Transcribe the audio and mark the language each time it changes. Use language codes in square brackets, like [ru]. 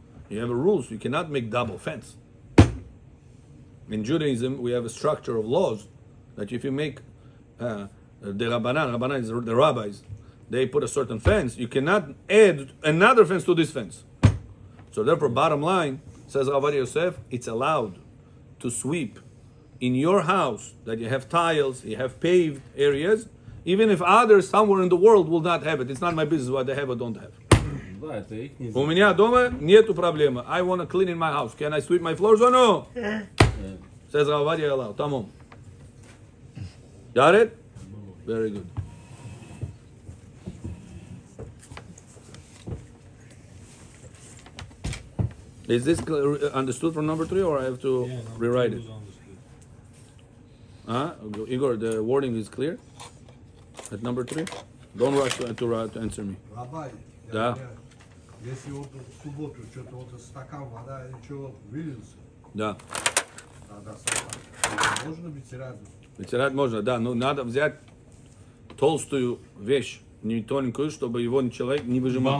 [en] You have a rule, so you cannot make double fence. In Judaism, we have a structure of laws that if you make the Rabbanan is the rabbis, they put a certain fence, you cannot add another fence to this fence. So therefore, bottom line, says Rav Yosef, it's allowed to sweep in your house that you have tiles, you have paved areas, even if others somewhere in the world will not have it. It's not my business what they have or don't have. [ru] У меня дома нету проблемы. [en] I want to clean in my house. Can I sweep my floors or no? Yeah. Says Rav Yosef, allow. Tamom. Got it? Very good. Is this understood from number three, or I have to rewrite it? Igor, the wording is clear at number three. Don't rush to answer me. Rabbi, [ru] да. Если вот в субботу что-то вот стакан вода ничего вылился. Да. Тогда можно вытирать. Вытирать можно, да. Но надо взять толстую вещь. Не тоненькую, чтобы его человек не выжимал.